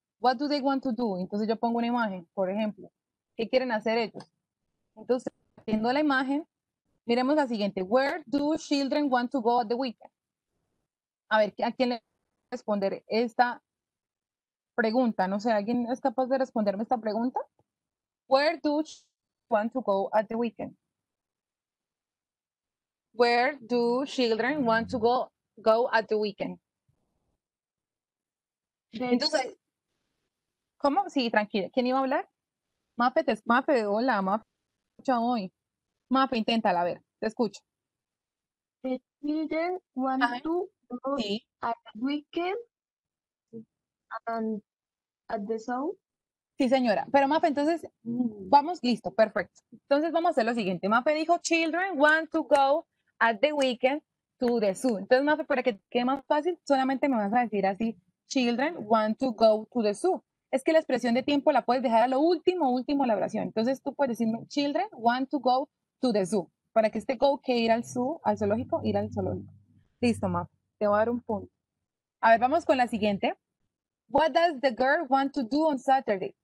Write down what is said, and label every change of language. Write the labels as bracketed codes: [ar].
[en] What do they want to do? [es] Entonces yo pongo una imagen, por ejemplo. ¿Qué quieren hacer ellos? Entonces, viendo la imagen, miremos la siguiente. [en] Where do children want to go at the weekend? [es] A ver, ¿a quién le voy a responder esta, pregunta. No sé, ¿alguien es capaz de responderme esta pregunta? [en] Where do she want to go at the weekend? Where do children want to go at the weekend? [es] Entonces, ¿cómo? Sí, tranquila. ¿Quién iba a hablar? Mafe, Mafe, hola, Mafe. Escucha hoy. Mafe, inténtala, a ver, te escucho. [en] The children want to go at the weekend and at the zoo. [es] Sí, señora. Pero Mafe, entonces, vamos, listo, perfecto. Entonces, vamos a hacer lo siguiente. Mafe dijo, [en] children want to go at the weekend to the zoo. [es] Entonces, Mafe, para que quede más fácil, solamente me vas a decir así, [en] children want to go to the zoo. [es] Es que la expresión de tiempo la puedes dejar a lo último, último la oración. Entonces, tú puedes decirme, [en] children want to go to the zoo. [es] Para que este go, que ir al zoo, al zoológico, ir al zoológico. Listo, Mafe. Te voy a dar un punto. A ver, vamos con la siguiente. [en] What does the girl want to do on Saturday?